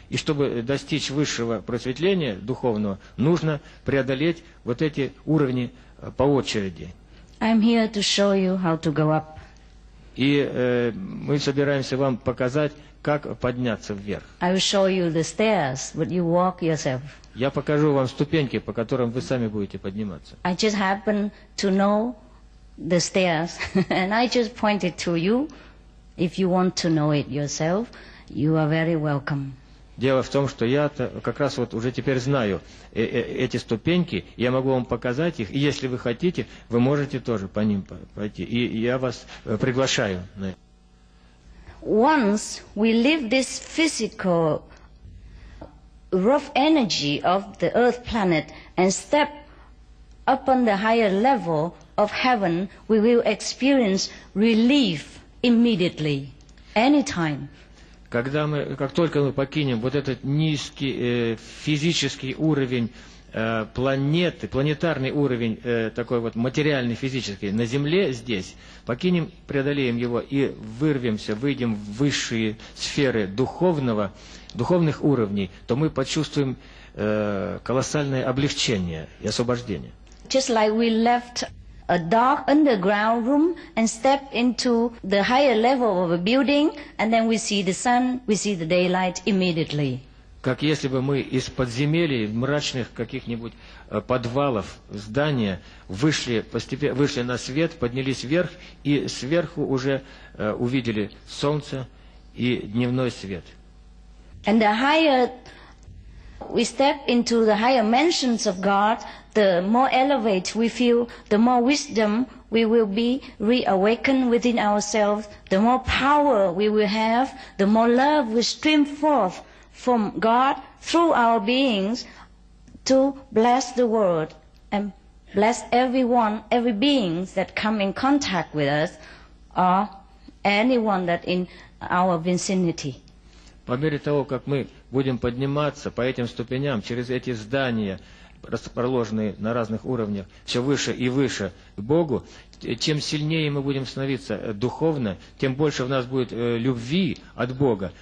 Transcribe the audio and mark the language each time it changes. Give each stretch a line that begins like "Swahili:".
Russian: И чтобы достичь высшего просветления духовного, нужно преодолеть вот эти уровни по очереди.
English: I'm here to show you how to go up.
Russian: И мы собираемся вам показать, как подняться вверх.
English: I will show you the stairs, but you walk yourself.
Russian: Я покажу вам ступеньки, по которым вы сами будете подниматься.
English: I just happen to know the stairs, and I just pointed to you. If you want to know it yourself, you are very welcome.
Russian: Дело в том, что я как раз вот уже теперь знаю эти ступеньки, я могу вам показать их, и если вы хотите, вы можете тоже по ним пойти. И я вас приглашаю.
English: Once we leave this physical rough energy of the earth planet and step up on the higher level, of heaven, we will experience relief immediately, anytime.
Russian: Когда мы, как только мы покинем вот этот низкий физический уровень планеты, планетарный уровень, такой вот материальный, физический, на Земле здесь, покинем, преодолеем его и вырвемся, выйдем в высшие сферы духовного, духовных уровней, то мы почувствуем колоссальное облегчение и освобождение.
English: Just like we left a dark underground room and stepped into the higher level of a building, and then we see the sun, we see the daylight immediately.
Russian: Как если бы мы из подземелий, мрачных каких-нибудь подвалов, здания, вышли на свет, поднялись вверх, и сверху уже увидели солнце и дневной свет.
English: And the higher we step into the higher mansions of God, the more elevated we feel, the more wisdom we will be reawakened within ourselves, the more power we will have, the more love will stream forth from God through our beings to bless the world and bless everyone, every being that come in contact with us or anyone that in our vicinity.
Russian: По мере того, как мы будем подниматься по этим ступеням, через эти здания, расположенные на разных уровнях, все выше и выше к Богу, чем сильнее мы будем становиться духовно, тем больше в нас будет любви от Бога.